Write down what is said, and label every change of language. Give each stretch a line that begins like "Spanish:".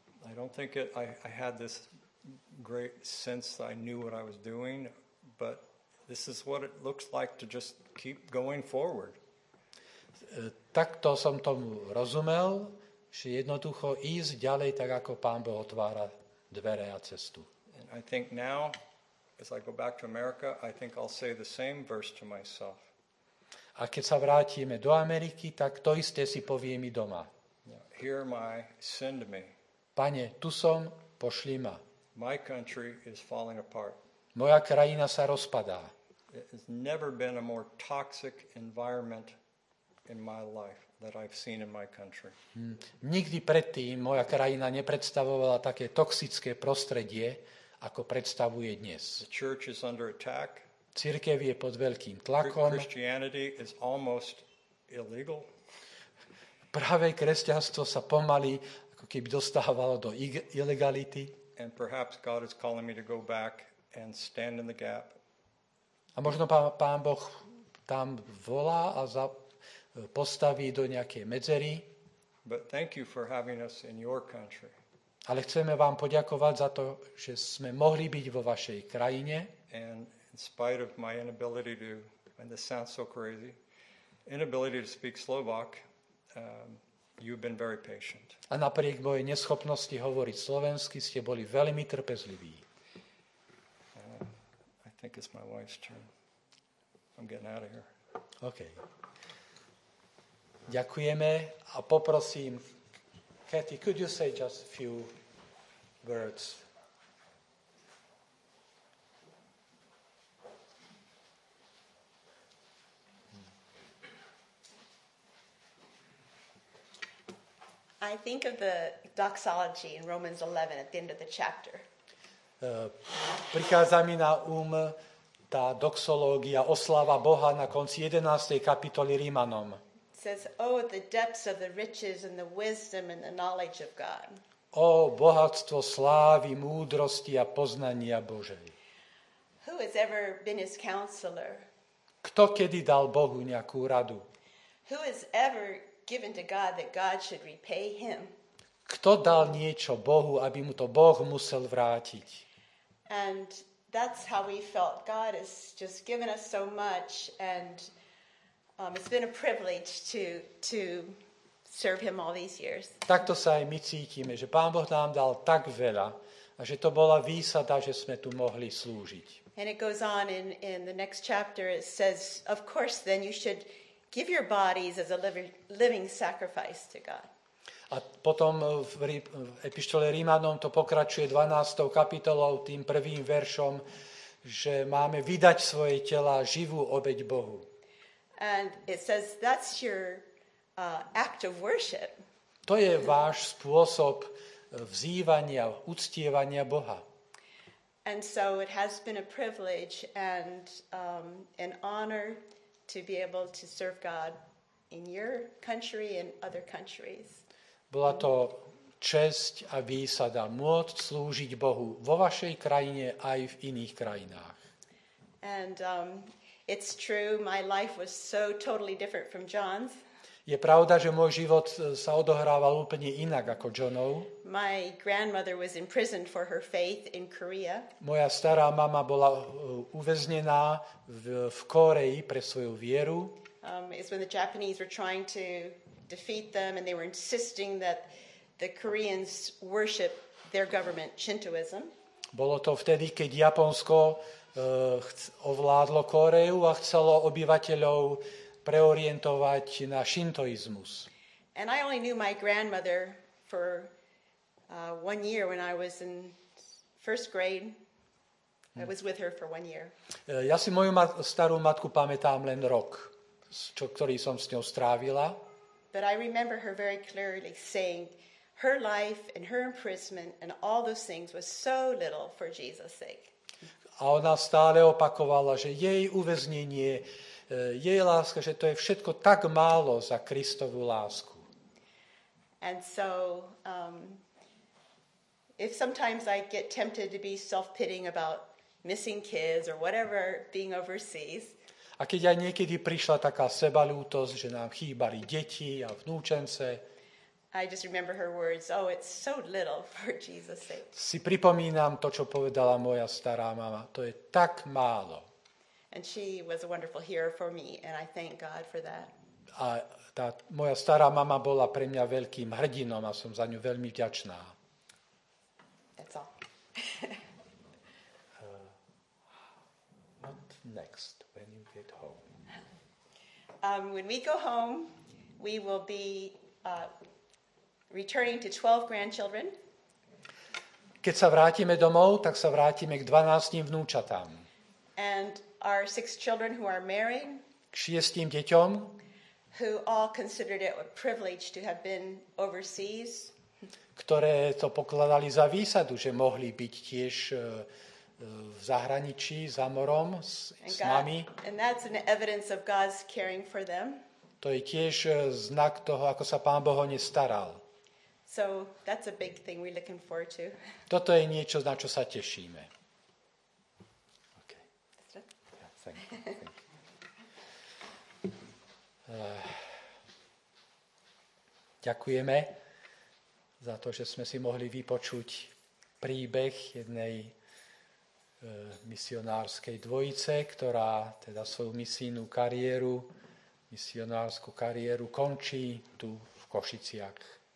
English: I don't think it, I had this great sense that I knew what I was doing, but this is what it looks like to just keep going forward.
Slovak: Takto som tomu rozumel, že jednoducho ísť ďalej tak, ako Pán Boh otvára dvere a cestu.
English: And I think now, as I go back to America, I think I'll say the same verse to myself.
Slovak: A keď sa vrátime do Ameriky, tak to isté si poviem i doma.
English: Here am I, send me.
Slovak: Pane, tu som, pošli ma.
English: My country is falling apart.
Slovak: Moja krajina sa rozpadá.
English: It has never been a more toxic environment in my life that I've seen in my country.
Slovak: Nikdy predtým moja krajina nepredstavovala také toxické prostredie, ako predstavuje dnes.
English: The church is under attack.
Slovak: Cirkev je pod veľkým tlakom.
English: Christianity is almost illegal.
Slovak: Práve kresťanstvo sa pomaly ako keby dostávalo do ilegality.
English: And perhaps God is calling me to go back and stand in the gap.
Slovak: A možno Pán Boh tam volá a postaví do nejakej medzery.
English: But thank you for having us in your country.
Slovak: Ale chceme vám poďakovať za to, že sme mohli byť vo vašej krajine.
English: And in spite of my inability to, and this sounds so crazy, inability to speak Slovak, you've been very patient.
Slovak: A napriek mojej neschopnosti hovoriť slovensky ste boli veľmi trpezliví.
English: I think it's my wife's turn. I'm getting out of here. Okay.
Slovak: Ďakujeme a poprosím,
English: Kathy, could you say just a few words? I think of the doxology in Romans 11 at the end of the chapter.
Slovak: Prichádza mi na úm tá doxológia, oslava Boha na konci 11. kapitoly Rímanom.
English: Says, oh, the depths of the riches and the wisdom and the knowledge of God.
Slovak: O bohatstvo slávy, múdrosti a poznania Božej.
English: Who has ever been his counselor?
Slovak: Kto kedy dal Bohu nejakú radu?
English: Who has ever given to God that God should repay him?
Slovak: Kto dal niečo Bohu, aby mu to Boh musel vrátiť?
English: And that's how we felt. God has just given us so much, and it's been a privilege to serve him all these years.
Slovak: Takto sa aj my cítime, že Pán Boh nám dal tak veľa a že to bola výsada, že sme tu mohli slúžiť.
English: And it goes on in the next chapter, it says, of course then you should give your bodies as a living sacrifice to God.
Slovak: A potom v epištole Rímanom to pokračuje 12. kapitolou tým prvým veršom, že máme vydať svoje tela živú obeť Bohu.
English: And it says that's your act of worship.
Slovak: To je váš spôsob vzývania, uctievania Boha.
English: And so it has been a privilege and an honor to be able to serve God in your country and other countries.
Slovak: Bola to česť a výsada môcť slúžiť Bohu vo vašej krajine aj v iných krajinách.
English: And it's true, my life was so totally different from John's.
Slovak: Je pravda, že môj život sa odohrával úplne inak ako Johnov.
English: My grandmother was imprisoned for her faith in Korea.
Slovak: Moja stará mama bola uväznená v Koreji pre svoju vieru.
English: It's when the Japanese were trying to defeat them and they were insisting that the Koreans worship their government, Shintoism.
Slovak: Bolo to vtedy, keď Japonsko ovládlo Koreju a chcelo obyvateľov preorientovať na šintoizmus.
English: And I only knew my grandmother for one year when I was in first grade. I was with her for 1 year.
Slovak: Ja si moju starú matku pamätám len rok, ktorý som s ňou strávila.
English: But I remember her very clearly saying her life and her imprisonment and all those things was so little for Jesus' sake.
Slovak: A ona stále opakovala, že jej uväznenie, jej láska, že to je všetko tak málo za Kristovu lásku.
English: And so if sometimes I get tempted to be self-pitying about missing kids or whatever, being overseas.
Slovak: A keď aj niekedy prišla taká sebaľútosť, že nám chýbali deti a vnúčence,
English: I just remember her words, oh, it's so little for Jesus' sake.
Slovak: Si pripomínam to, čo povedala moja stará mama. To je tak málo.
English: And she was a wonderful hearer for me, and I thank God for that.
Slovak: A tá moja stará mama bola pre mňa veľkým hrdinom a som za ňu veľmi vďačná.
English: That's all. What next, when you get home? When we go home, we will be returning to 12 grandchildren.
Slovak: Keď sa vrátime domov, tak sa vrátime k 12 vnúčatám.
English: And our 6 children who are married.
Slovak: K 6 deťom.
English: Who all considered it a privilege to have been overseas.
Slovak: Ktoré to pokladali za výsadu, že mohli byť tiež v zahraničí, za morom s nami.
English: And that's an evidence of God's caring for them.
Slovak: To je tiež znak toho, ako sa Pán Boh o ne staral.
English: So that's a big thing we're looking forward to.
Slovak: Toto je niečo, na čo sa tešíme. Okay.
English: Yeah, thank you.
Slovak: Ďakujeme za to, že sme si mohli vypočuť príbeh jednej misionárskej dvojice, ktorá teda svoju misionársku kariéru končí tu v Košiciach.